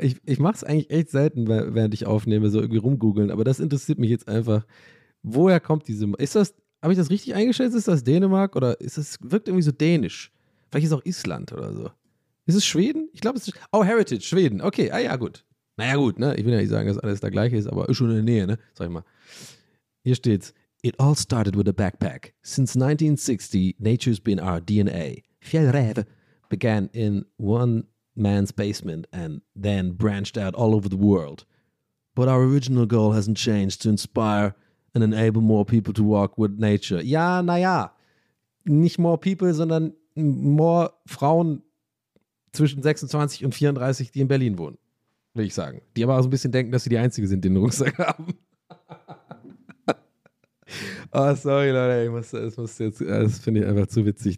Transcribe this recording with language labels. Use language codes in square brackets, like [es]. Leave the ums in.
[de] Ich, ich mache es eigentlich echt selten, we- während ich aufnehme, so irgendwie rumgoogeln, aber das interessiert mich jetzt einfach. Woher kommt diese. Ist das. Habe ich das richtig eingeschätzt? Ist das Dänemark oder ist das. Wirkt irgendwie so dänisch. Vielleicht ist auch Island oder so. Ist es Schweden? Ich glaube, es ist. Oh, Heritage, Schweden. Okay, ah ja, gut. Naja, gut, ne? Ich will ja nicht sagen, dass alles da gleiche ist, aber ist schon in der Nähe, ne? Sag ich mal. Hier steht's. [en] It all started with a backpack. Since 1960, nature's been our DNA. Fjällräv began in one man's basement and then branched out all over the world. But our original goal hasn't changed to inspire and enable more people to walk with nature. [de] Ja, naja. Nicht [en] more people, [de] sondern more Frauen zwischen 26 und 34, die in Berlin wohnen. Will ich sagen. Die aber auch so ein bisschen denken, dass sie die Einzige sind, die einen Rucksack haben. Oh, sorry, Leute, ich muss, das muss jetzt, das finde ich einfach zu witzig.